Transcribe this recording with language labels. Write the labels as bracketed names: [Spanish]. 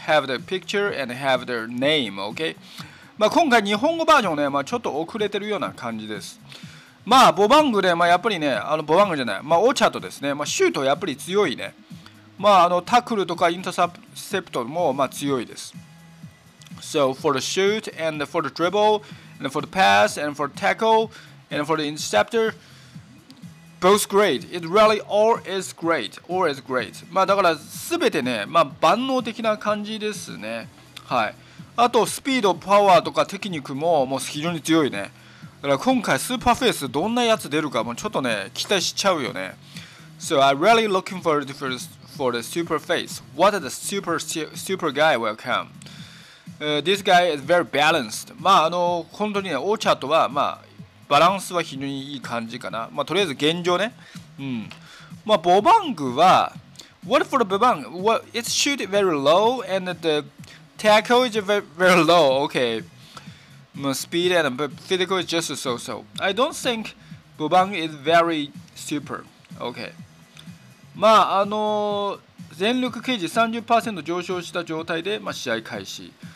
[English] Have the picture and have the name. Okay. [Japanese] まあ今回日本語バージョンね、まあちょっと遅れてるような感じです。まあボバングで、まあやっぱりね、ボバングじゃない、まあオチャットですね。まあシュートやっぱり強いね。まあタックルとかインターセプトもまあ強いです。 [English] So for the shoot and for the dribble. And for the pass, and for tackle, and for the interceptor, both great. It really all is great. All is great. [Japanese] まあだからすべてね、まあ万能的な感じですね。はい。あとスピード、パワーとかテクニックももう非常に強いね。だから今回スーパーフェイスどんなやつ出るかもちょっとね、期待しちゃうよね。 [English] So I really looking for the super face. What the super guy will come? This guy is very balanced. [Japanese] まあ本当にね、オーチャットは、まあ、バランスは非常にいい感じかな。まあ、とりあえず現状ね。 [English] うん。 [Japanese] まあ、ボバングは、 [English] What for the Bobang? Well, it shoot very low and the tackle is very low, okay. まあ、speed and physical is just so-so. I don't think Bobang is very super, okay. [Japanese] まあ、全力ケージ 30% 上昇した状態で、まあ、試合開始。